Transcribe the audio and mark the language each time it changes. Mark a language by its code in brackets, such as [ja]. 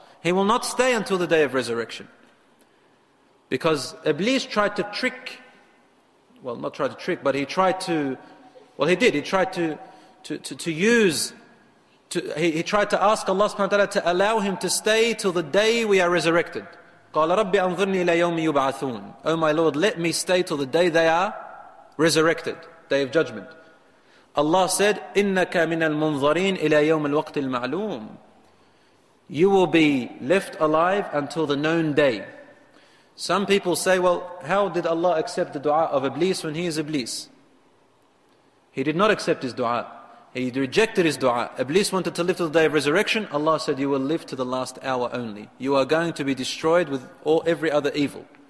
[en] He will not stay until the day of resurrection. Because Iblis tried to trick, well, not try to trick, but he tried to ask Allah subhanahu wa ta'ala to allow him to stay till the day we are resurrected. [ar] قَالَ رَبِّ أَنظُرْنِي إِلَى يَوْمِ يُبْعَثُونَ. [en] Oh my Lord, let me stay till the day they are resurrected, day of judgment. Allah said, [ar] إِنَّكَ مِنَ الْمُنظَرِينَ إِلَى يَوْمِ الْوَقْتِ الْمَعْلُومِ. [en] You will be left alive until the known day. Some people say, well, how did Allah accept the dua of Iblis when he is Iblis? He did not accept his dua. He rejected his dua. Iblis wanted to live to the day of resurrection. Allah said, you will live to the last hour only. You are going to be destroyed with all every other evil.